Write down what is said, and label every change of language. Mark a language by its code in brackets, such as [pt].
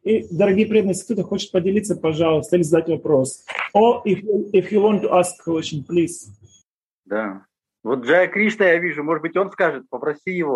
[ru] Дорогие преданные, если кто-то хочет поделиться, пожалуйста, или задать вопрос. [en] Or if you want to ask question, please. [ru] Да. Вот Джая Кришна, я вижу, может быть, он скажет, попроси его.